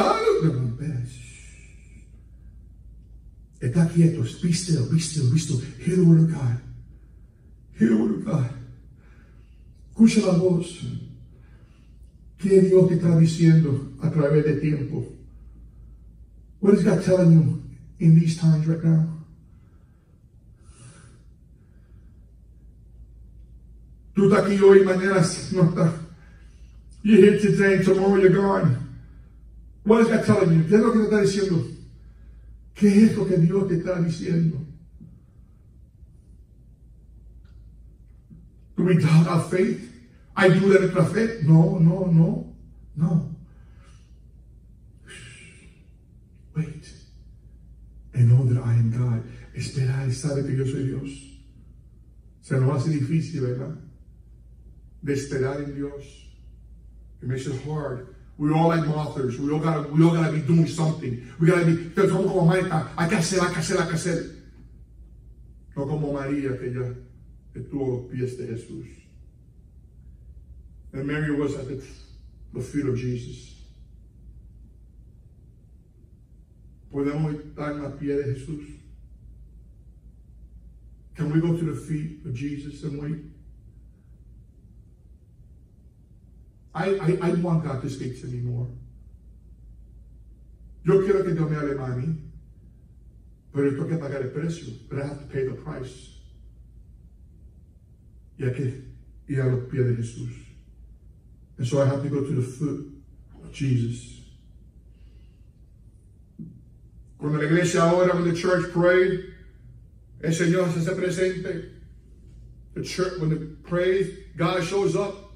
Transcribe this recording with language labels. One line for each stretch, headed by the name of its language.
Spanish: No, espera. Está quieto.
English: Be still, be still, be still. Hear the word of God. Hear the word of God.
Spanish: Escucha la voz. ¿Qué Dios te está diciendo a través del tiempo?
English: What is God telling you in these times right now?
Spanish: Tú estás aquí hoy, mañana no estás.
English: You're here today, tomorrow you're gone. What is God telling you?
Spanish: ¿Qué es lo que te está diciendo? ¿Qué es lo que Dios te está diciendo?
English: Do we doubt our faith? I do that in my faith? No. Wait. And know that I am God.
Spanish: Espera y sabe que yo soy Dios. Se nos hace difícil, ¿verdad? De esperar en Dios.
English: It makes it hard. We're all like authors. We all gotta be doing something. We gotta be.
Spanish: Pero somos como Marta. Hay que hacer. No como María, que ya estuvo a los pies de Jesús.
English: And Mary was at the feet of Jesus.
Spanish: Podemos estar en la pie de Jesús.
English: Can we go to the feet of Jesus and wait? I want God to speak to me more.
Spanish: Yo quiero que Dios me hable a mí, pero tengo que pagar el precio.
English: But I have to pay the price.
Spanish: Y hay que ir a los pies de Jesús.
English: And so I have to go to the foot of Jesus.
Spanish: Cuando la iglesia ora,
English: when the church prayed,
Spanish: El Señor se presente.
English: The church, when it prays, God shows up.